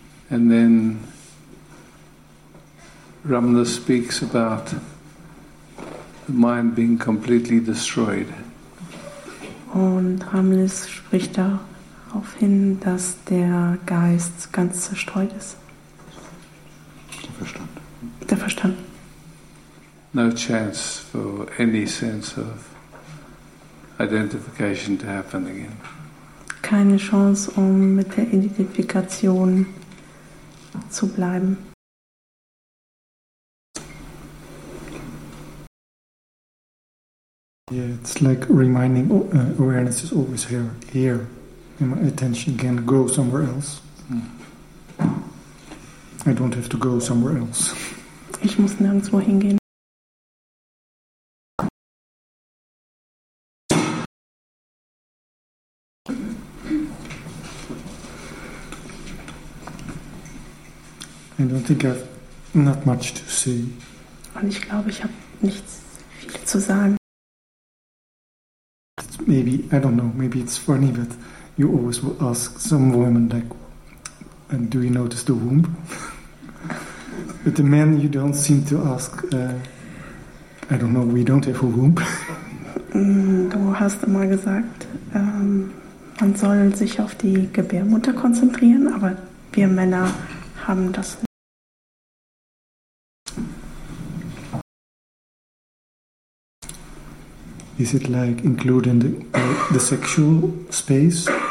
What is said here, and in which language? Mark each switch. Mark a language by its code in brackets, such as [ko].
[en] And then Ramana speaks about the mind being completely destroyed. [de] Und Ramana spricht darauf hin, dass der Geist ganz zerstreut ist. Der Verstand. Der Verstand. [en] No chance for any sense of identification to happen again. [de] Keine Chance, um mit der Identifikation zu bleiben. [en] Yeah, it's like reminding awareness is always here, and my attention can go somewhere else. I don't have to go somewhere else. [de] Ich muss nirgendwo hingehen. [en] I don't think I've not much to say. [de] Und ich glaube, ich habe nichts viel zu sagen. [en] Maybe, I don't know, maybe it's funny, but you always will ask some women, like, and do you notice the womb? But the men, you don't seem to ask, I don't know, we don't have a womb. [de] Du hast immer gesagt, man soll sich auf die Gebärmutter konzentrieren, aber wir Männer haben das nicht. [en] Is it like including the sexual space?